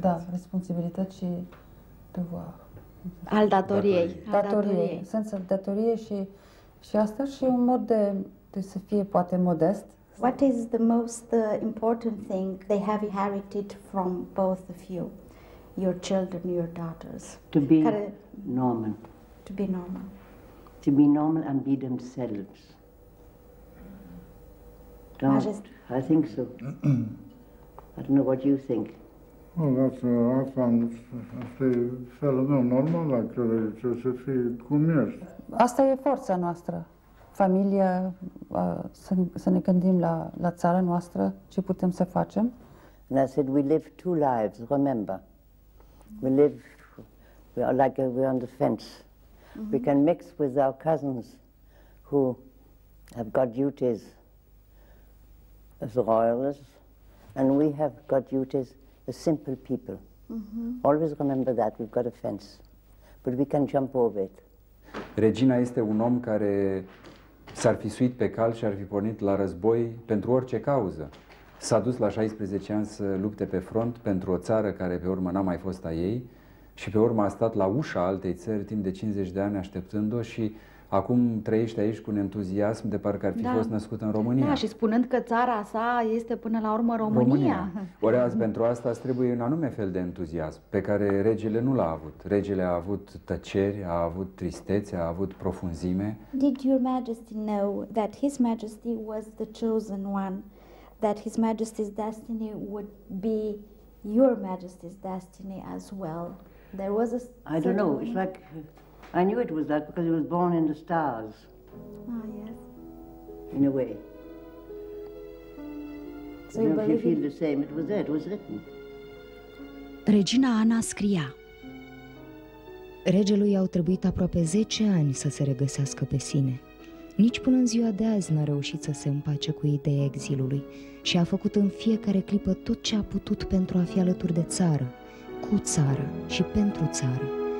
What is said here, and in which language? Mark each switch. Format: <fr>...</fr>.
<ro>Da, responsabilități și devoir. Al datoriei. Datoriei. Sens al datoriei și, și asta și un mod de, de să fie poate modest.</ro> <en>What is the most important thing they have inherited from both of you, your children, your daughters? To be normal. To be normal. To be normal and be themselves. I think so. I don't know what you think. Well, that's I found the fellow normal, like just a few comers.</en> <ro>Asta e forța noastră. Familia, să ne gândim la, la țara noastră, ce putem să facem.</ro> <en>And I said, we live two lives, remember. We live, we are like a, we're on the fence. Mm-hmm. We can mix with our cousins who have got duties as royalists, and we have got duties as simple people. Mm-hmm. Always remember that, we've got a fence. But we can jump over it.</en> <ro>Regina este un om care s-ar fi suit pe cal și ar fi pornit la război pentru orice cauză. S-a dus la 16 ani să lupte pe front pentru o țară care pe urmă n-a mai fost a ei și pe urmă a stat la ușa altei țări timp de 50 de ani așteptând-o și acum trăiește aici cu un entuziasm de parcă ar fi fost născut în România. Da, și spunând că țara sa este până la urmă România. Ori azi, pentru asta îți trebuie un anume fel de entuziasm pe care regele nu l-a avut. Regele a avut tăceri, a avut tristețe, a avut profunzime.</ro> <en>Did your majesty know that his majesty was the chosen one? That his majesty's destiny would be your majesty's destiny as well? There was a... I don't know, it's like... I knew it was that because he was born in the stars. Ah, yes. In a way. So you know, if you feel the same, it was there, it was written.</en> <ro>Regina Ana scria. Regelui au trebuit aproape 10 ani să se regăsească pe sine. Nici până în ziua de azi n-a reușit să se împace cu ideea exilului și a făcut în fiecare clipă tot ce a putut pentru a fi alături de țară, cu țară și pentru țară.</ro>